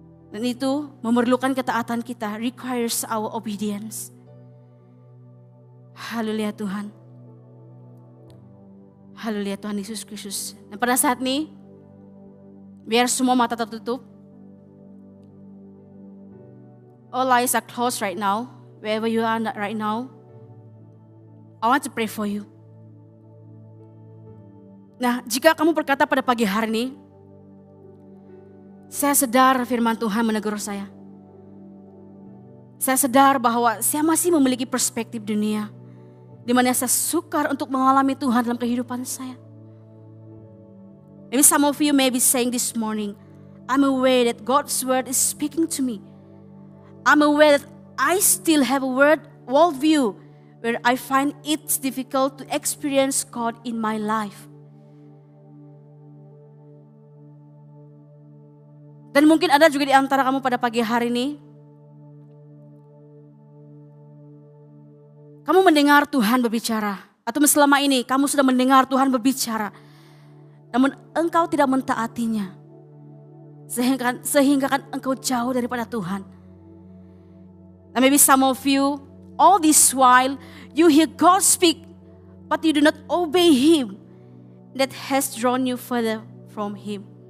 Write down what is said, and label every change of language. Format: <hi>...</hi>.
<ms>Dan itu memerlukan ketaatan kita,</ms> <en>requires our obedience.</en> <ms>Haleluya Tuhan. Haleluya Tuhan Yesus Kristus. Dan pada saat ini, biar semua mata tertutup.</ms> <en>All eyes are closed right now, wherever you are right now. I want to pray for you.</en> <ms>Nah, jika kamu berkata pada pagi hari ini, saya sedar firman Tuhan menegur saya. Saya sedar bahwa saya masih memiliki perspektif dunia, di mana saya sukar untuk mengalami Tuhan dalam kehidupan saya.</ms> <en>Maybe some of you may be saying this morning, I'm aware that God's word is speaking to me. I'm aware that I still have a worldview where I find it difficult to experience God in my life.</en> <ms>Dan mungkin ada juga di antara kamu pada pagi hari ini, kamu mendengar Tuhan berbicara, atau selama ini kamu sudah mendengar Tuhan berbicara, namun engkau tidak mentaatinya, sehingga kan engkau jauh daripada Tuhan.</ms> <en>And maybe some of you, all this while, you hear God speak, but you do not obey Him. That has drawn you further from Him.</en>